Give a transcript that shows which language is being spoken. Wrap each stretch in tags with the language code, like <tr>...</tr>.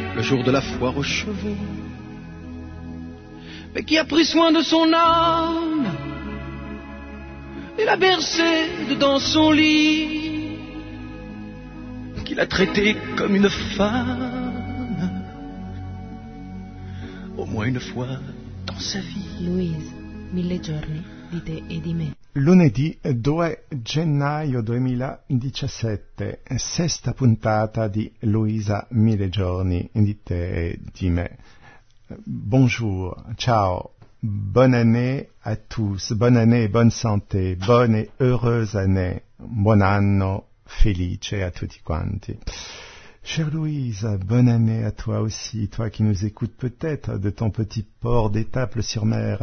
<fr>Le jour de la foire aux chevaux, mais qui a pris soin de son âme et l'a bercée dedans son lit, qui l'a traitée comme une femme au moins une fois dans sa vie.</fr> <it>Louise, mille giorni di te e di me. Lunedì 2 gennaio 2017, sesta puntata di Luisa Mille Giorni di te e di me.</it> <fr>Bonjour, ciao, bonne année à tous, bonne année, bonne santé, bonne e heureuse année,</fr> <it>buon anno, felice a tutti quanti.</it> <fr>Chère Louise, bonne année à toi aussi, toi qui nous écoutes peut-être de ton petit port d'Étaples-sur-Mer.</fr>